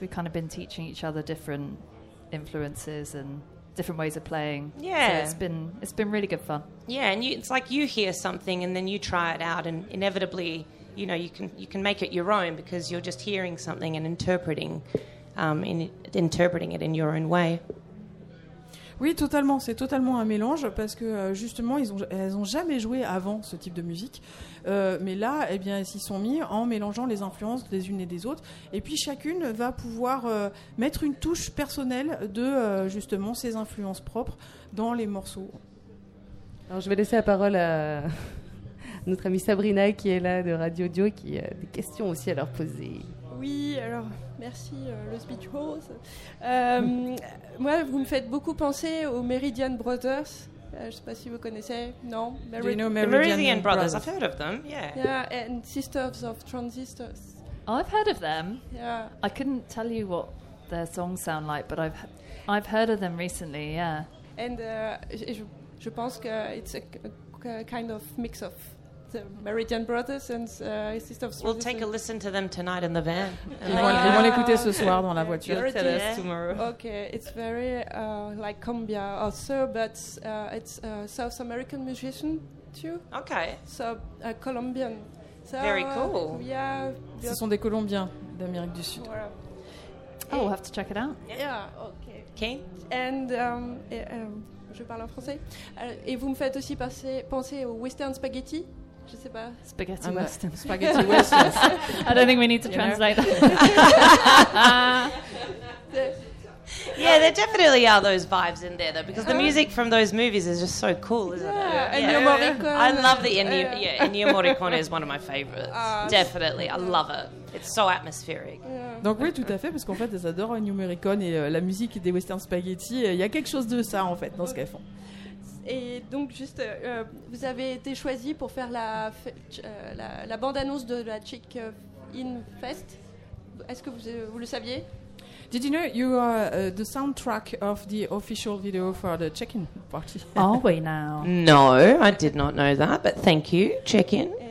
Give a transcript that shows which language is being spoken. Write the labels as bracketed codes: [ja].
[en] We've kind of been teaching each other different influences and different ways of playing. Yeah. So it's been really good fun. Yeah, and it's like you hear something and then you try it out and inevitably, you know, you can make it your own because you're just hearing something and interpreting it in your own way. [fr] Oui, totalement. C'est totalement un mélange parce que justement, elles ont jamais joué avant ce type de musique. Mais là, eh bien, elles s'y sont mis en mélangeant les influences des unes et des autres. Et puis chacune va pouvoir mettre une touche personnelle de justement ses influences propres dans les morceaux. Alors, je vais laisser la parole à notre amie Sabrina qui est là de Radio Dio, qui a des questions aussi à leur poser. Oui, alors. Merci, le [en] speech host. [fr] Moi, vous me faites beaucoup penser aux Meridian Brothers. Je ne sais pas si vous connaissez. Non. [en] Meridian Brothers. I've heard of them. Yeah. Yeah, and Sisters of Transistors. I've heard of them. Yeah. I couldn't tell you what their songs sound like, but I've heard of them recently. Yeah. And [fr] je pense que [en] it's a kind of mix of the Meridian Brothers and Sisters of Transistors. We'll take a listen to them tonight in the van. [fr] Ils vont l'écouter ce soir dans la voiture. [en] Tell us tomorrow. Okay, it's very like cumbia also, but it's a South American musician too. Okay. So a Colombian. So, very cool. Yeah. [fr] Ce sont des Colombiens d'Amérique du Sud. [en] Oh, we'll have to check it out. Yeah. Okay. Kane. [fr] And je parle en français. Et vous me faites aussi penser au Western Spaghetti. Je sais pas. [en] Spaghetti and Western. Spaghetti Western. I don't think we need to translate that. Yeah, there definitely are those vibes in there, though, because the music from those movies is just so cool, isn't it? Yeah, Ennio Morricone. I love the Ennio Morricone is one of my favorites. Definitely, I love it. It's so atmospheric. Yeah. [fr] Donc oui, tout à fait, parce qu'en fait, elles adorent Ennio Morricone et la musique des Western Spaghetti. Il y a quelque chose de ça, en fait, dans ce qu'elles font. Et donc, juste, vous avez été choisi pour faire la bande-annonce de la Chick In Fest. Est-ce que vous le saviez? [en] Did you know you are the soundtrack of the official video for the check-in party? Are we now? No, I did not know that, but thank you, check-in.